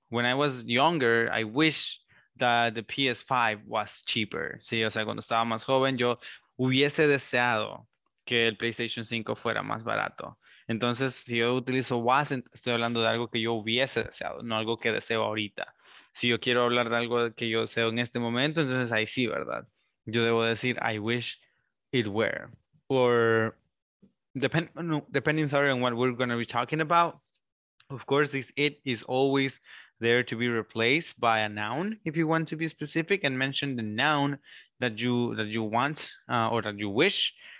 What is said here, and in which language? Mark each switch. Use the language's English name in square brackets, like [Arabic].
[English] When I was younger, I wish that the PS5 was cheaper. [Spanish] Sí, o sea, cuando estaba más joven, yo hubiese deseado que el PlayStation 5 fuera más barato. Entonces, si yo utilizo was, estoy hablando de algo que yo hubiese deseado, no algo que deseo ahorita. Si yo quiero hablar de algo que yo deseo en este momento, entonces ahí sí, ¿verdad? Yo debo decir, [English] I wish it were. Or, depending sorry, on what we're going to be talking about, of course, this it is always there to be replaced by a noun, if you want to be specific, and mention the noun that you want or that you wish.